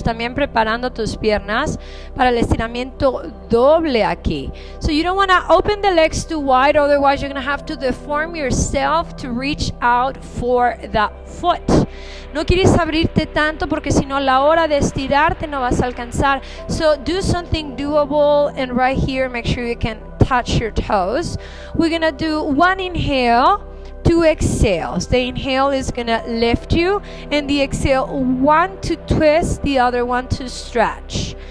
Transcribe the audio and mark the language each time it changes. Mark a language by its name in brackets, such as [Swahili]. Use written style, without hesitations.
[Spanish] También preparando tus piernas para el estiramiento doble aquí. [English] So you don't want to open the legs too wide, otherwise you're going to have to deform yourself to reach out for that foot. [Spanish] No quieres abrirte tanto porque si no la hora de estirarte no vas a alcanzar. [English] So do something doable and right here make sure you can touch your toes. We're going to do one inhale. two exhales. The inhale is gonna lift you, and the exhale, one to twist, the other one to stretch.